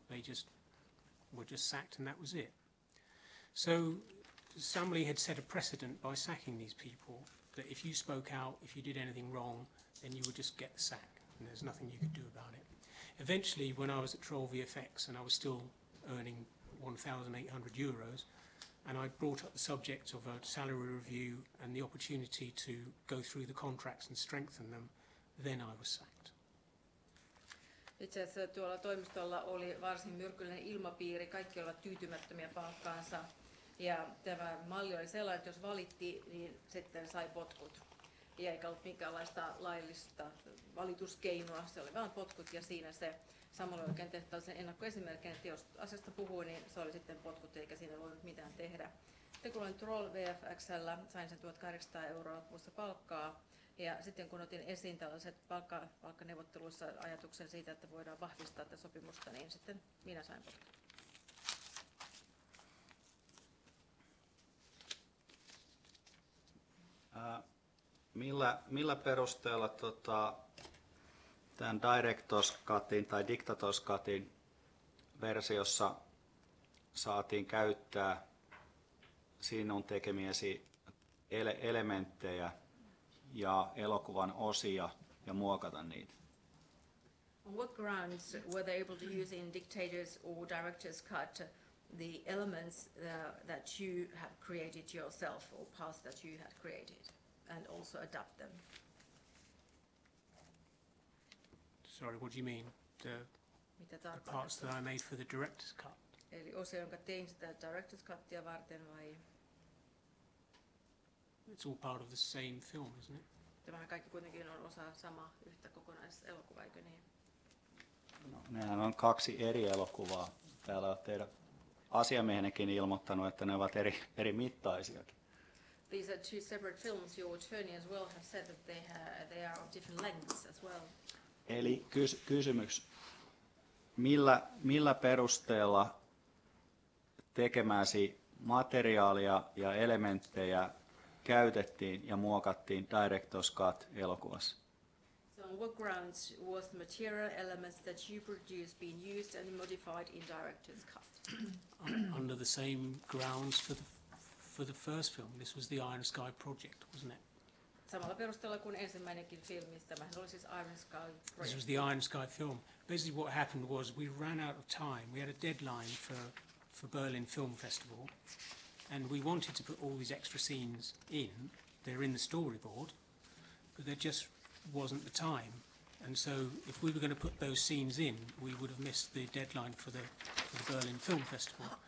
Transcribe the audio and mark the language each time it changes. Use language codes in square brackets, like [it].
[en] They just were just sacked, and that was it. So somebody had set a precedent by sacking these people, that if you spoke out, if you did anything wrong, then you would just get the sack, and there's nothing you could do about it. Eventually, when I was at Troll VFX and I was still earning €1,800, and I brought up the subject of a salary review and the opportunity to go through the contracts and strengthen them, then I was sacked. [fi] Itse asiassa tuolla toimistolla oli varsin myrkyllinen ilmapiiri, kaikki olivat tyytymättömiä palkkaansa. Ja tämä malli oli sellainen, että jos valitti, niin sitten sai potkut. Eikä ollut minkäänlaista laillista valituskeinoa, se oli vain potkut ja siinä se samalla oikein tehtävä sen ennakkoesimerkkinä, että jos asiasta puhuu, niin se oli sitten potkut eikä siinä voinut mitään tehdä. Sitten kun olin Troll VFX:llä, sain sen 1800 euroa kuussa palkkaa. Ja sitten kun otin esiin tällaiset palkkaneuvotteluissa ajatuksen siitä, että voidaan vahvistaa tätä sopimusta, niin sitten minä sain potkut. Millä perusteella tämän Directors Cutin tai Dictators Cutin versiossa saatiin käyttää sinun tekemiesi elementtejä ja elokuvan osia ja muokata niitä? [en] On what grounds were they able to use in Dictators or Directors Cut the elements that you have created yourself or parts that you had created? And also adapt them. Sorry, what do you mean? The parts that I made for the director's cut. [fi] Eli osa, jonka tein sitä director's cuttia varten, vai? [en] It's all part of the same film, isn't it? [fi] Tämähän kaikki kuitenkin on osa sama yhtä kokonaiselokuvaa, eikö niin? Nehän on kaksi eri elokuvaa. Täällä on teidän asiamiehenekin ilmoittanut, että ne ovat eri mittaisiakin. [en] These are two separate films. Your attorney as well has said that they are of different lengths as well. [fi] Eli kysymys, millä perusteella tekemäsi materiaalia ja elementtejä käytettiin ja muokattiin Director's Cut -elokuvassa? [en] So on what grounds was the material elements that you produced being used and modified in Director's Cut? Under the same grounds for the first film, this was the Iron Sky project, wasn't it? [fi] Samalla perusteella kuin ensimmäinenkin filmi, tämähän oli siis Iron Sky project. [en] This was the Iron Sky film. Basically what happened was we ran out of time. We had a deadline for Berlin Film Festival and we wanted to put all these extra scenes in. They're in the storyboard, but there just wasn't the time. And so if we were going to put those scenes in, we would have missed the deadline for the Berlin Film Festival.